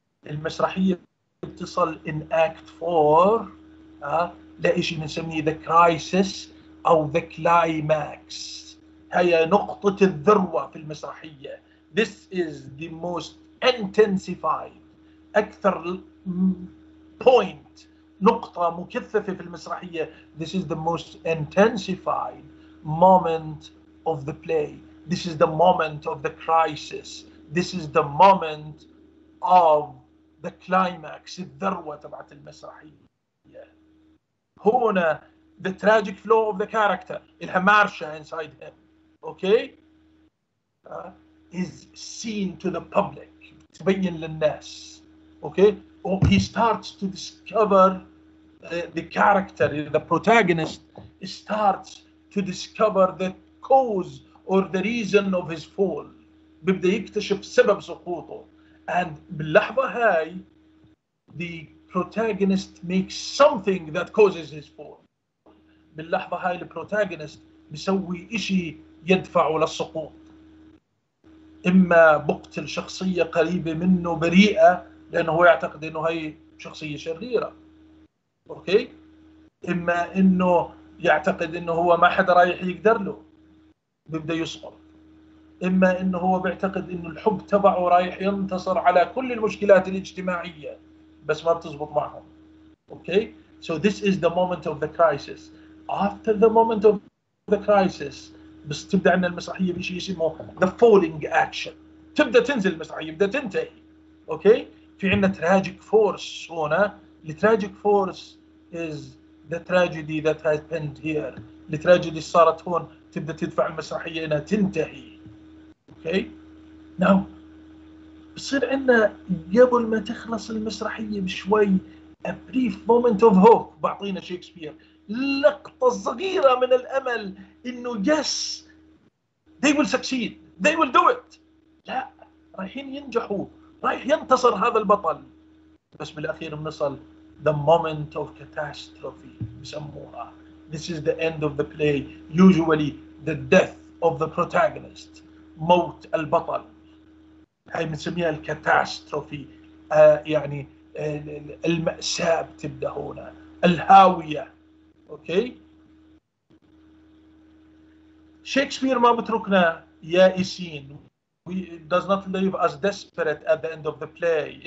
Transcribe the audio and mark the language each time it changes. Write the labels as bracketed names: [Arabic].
[Arabic] المسرحية تصل [English] in act four [Arabic] لإشي نسميه [English] the crisis أو the climax. [Arabic] هي نقطة الذروة في المسرحية. [English] This is the most intensified, [Arabic] أكثر point, نقطة مكثفة في المسرحية. [English] This is the most intensified moment of the play. This is the moment of the crisis. This is the moment of the climax. [Arabic] الذروة تبعت المسرحية. [English] هنا the tragic flow of the character. [Arabic] إلها مارشة [English] inside him. Okay? Is seen to the public. [Arabic] تبين للناس. Okay? [English] Or he starts to discover the character, the protagonist starts to discover the cause or the reason of his fall. [Arabic] بيبدأ يكتشف سبب سقوطه. [English] And [Arabic] باللحظة هاي [English] the protagonist makes something that causes his fall. [Arabic] باللحظة هاي the protagonist بيسوي إشي يدفعه للسقوط. إما بقتل شخصية قريبة منه بريئة لأنه هو يعتقد أنه هاي شخصية شريرة. أوكي؟ إما أنه يعتقد أنه هو ما حدا رايح يقدر له بيبدأ يسقط. إما أنه هو بيعتقد أنه الحب تبعه رايح ينتصر على كل المشكلات الاجتماعية بس ما بتزبط معهم. [English] Okay? So this is the moment of the crisis. After the moment of the crisis [Arabic] بس تبدأ عندنا المسرحية بشيء اسمه [English] the falling action. [Arabic] تبدأ تنزل المسرحية بدأ تنتهي. أوكي؟ في عندنا tragic force هنا. [English] The tragic force is the tragedy that has happened here. [Arabic] The tragedy صارت هون تبدأ تدفع المسرحية إنها تنتهي. Okay? Now, بصير عندنا قبل ما تخلص المسرحية بشوي [English] a brief moment of hope [Arabic] بعطينا شيكسبير. لقطة صغيرة من الأمل إنه [English] yes, they will succeed. They will do it. [Arabic] لا, رايحين ينجحوا. رايح ينتصر هذا البطل. بس بالأخير بنصل [English] the moment of catastrophe [Arabic] بسموها. [English] This is the end of the play. Usually the death of the protagonist. [Arabic] موت البطل. هاي بنسميها الكاتاستروفي. يعني المأساة بتبدأ هنا. الهاوية. أوكي؟ شكسبير ما بتركنا يائسين. [English] He does not leave us desperate at the end of the play.